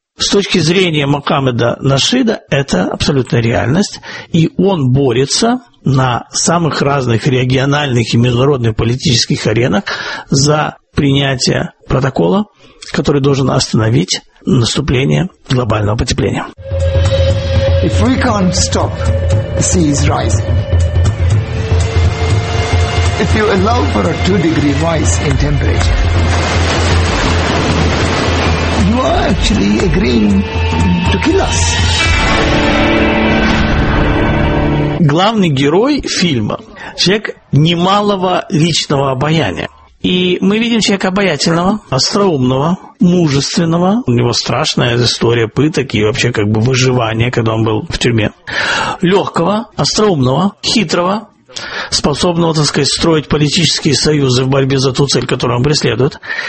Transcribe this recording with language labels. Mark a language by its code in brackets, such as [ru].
[ru] С точки зрения Мухаммеда Нашида это абсолютная реальность, и он борется на самых разных региональных и международных политических аренах за принятие протокола, который должен остановить наступление глобального потепления. [en] If we can't stop the seas rising, if you allow for a 2-degree rise in temperature, you are actually agreeing to kill us. [ru] Главный герой фильма – человек немалого личного обаяния. И мы видим человека обаятельного, остроумного, мужественного. У него страшная история пыток и вообще как бы выживания, когда он был в тюрьме. Легкого, остроумного, хитрого, способного, так сказать, строить политические союзы в борьбе за ту цель, которую он преследует.